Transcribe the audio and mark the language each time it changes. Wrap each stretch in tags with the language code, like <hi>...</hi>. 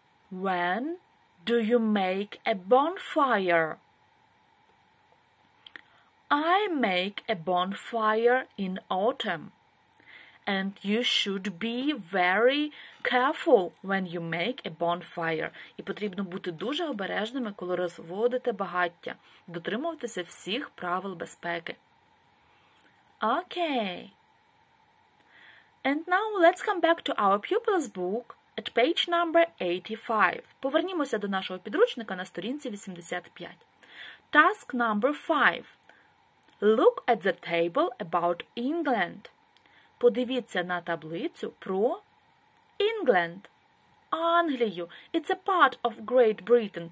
<en>When do you make a bonfire? I make a bonfire in autumn. And you should be very careful when you make a bonfire.</en> <uk>І потрібно бути дуже обережними, коли розводите багаття. Дотримуватися всіх правил безпеки.</uk> <en>Okay. And now let's come back to our pupil's book at page number 85.</en> <uk>Повернімося до нашого підручника на сторінці 85.</uk> <en>Task number 5. Look at the table about England.</en> <uk>Подивіться на таблицю про</uk> <en>England. Англію. It's a part of Great Britain.</en>